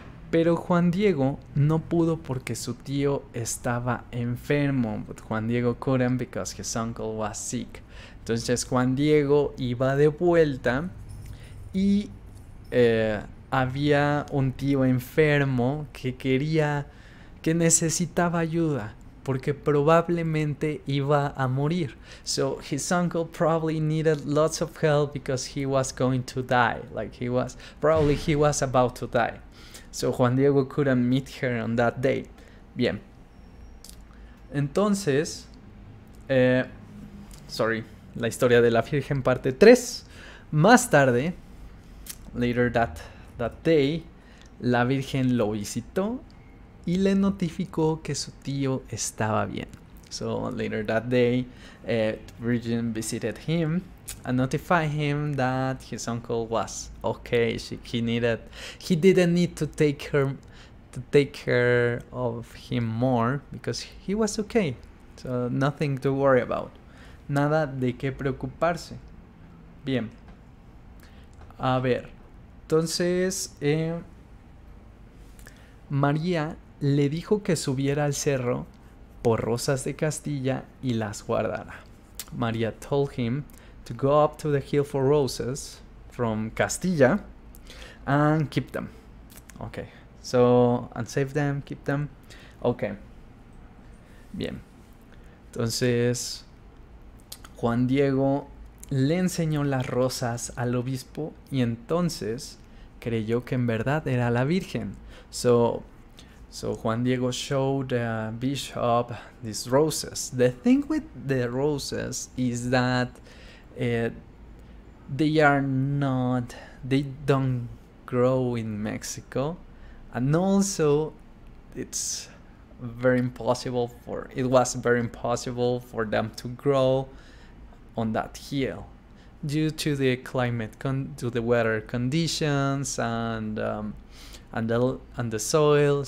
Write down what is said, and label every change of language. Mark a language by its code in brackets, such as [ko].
[es] Pero Juan Diego no pudo porque su tío estaba enfermo. [en] But Juan Diego couldn't because his uncle was sick. [es] Entonces Juan Diego iba de vuelta y había un tío enfermo que quería, que necesitaba ayuda porque probablemente iba a morir. [en] So his uncle probably needed lots of help because he was going to die. Like he was, probably he was about to die. So Juan Diego couldn't meet her on that day. [es] Bien. Entonces, sorry, la historia de la Virgen parte 3. Más tarde, [en] later that day, [es] la Virgen lo visitó y le notificó que su tío estaba bien. [en] So later that day, Virgin visited him and notified him that his uncle was okay. He didn't need to take care of him more because he was okay. So nothing to worry about. [es] Nada de qué preocuparse. Bien. A ver. Entonces, María le dijo que subiera al cerro por rosas de Castilla y las guardara. [en] María told him to go up to the hill for roses from Castilla and keep them. Okay, so, and save them, keep them. Okay. Bien. [es] Entonces, Juan Diego le enseñó las rosas al obispo y entonces creyó que en verdad era la Virgen. [en] So Juan Diego showed the bishop these roses. The thing with the roses is that they don't grow in Mexico, and also it was very impossible for them to grow on that hill due to the climate, to the weather conditions and the soil.